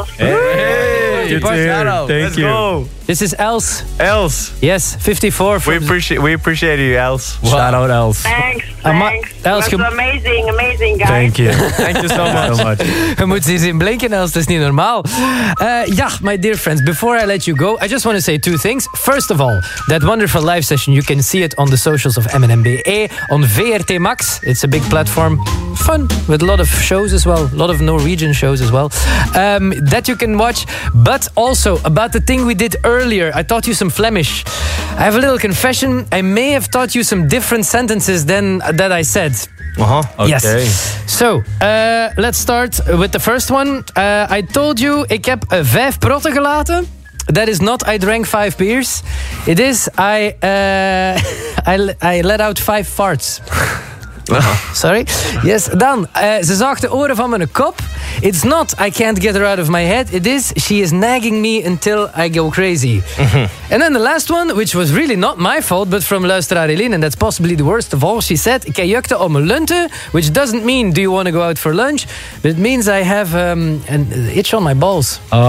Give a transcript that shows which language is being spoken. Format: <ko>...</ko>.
<en>Hey, hey, hey. Thank you. This is Els. Els. Yes, 54. We appreciate you, Els. Wow. Shout out, Els. Thanks. Els, that was amazing, guys. Thank you. Thank you so much.</en> <nl>We moeten eens in blinken, Els. Dat is niet normaal.</nl> <en>Ja, my dear friends, before I let you go, I just want to say two things. First of all, that wonderful live session, you can see it on the socials of MNMBE, on VRT Max. It's a big platform. Fun, with a lot of shows as well. A lot of Norwegian shows as well. That you can watch. But But also, about the thing we did earlier, I taught you some Flemish. I have a little confession. I may have taught you some different sentences than that I said. Uh-huh. Okay. Yes. So, let's start with the first one. I told you,</en> <nl>ik heb vijf protten gelaten.</nl> <en>That is not I drank five beers. It is I let out five farts. Sorry. Yes, dan.</en> <nl>Ze zaagt de oren van mijn kop.</nl> <en>It's not I can't get her out of my head. It is she is nagging me until I go crazy. And then the last one, which was really not my fault, but from luisteraar Eline, and that's possibly the worst of all. She said,</en> <nl>ik heb jeukte om lunte,</nl> <en>which doesn't mean do you want to go out for lunch, but it means I have an itch on my balls.</en>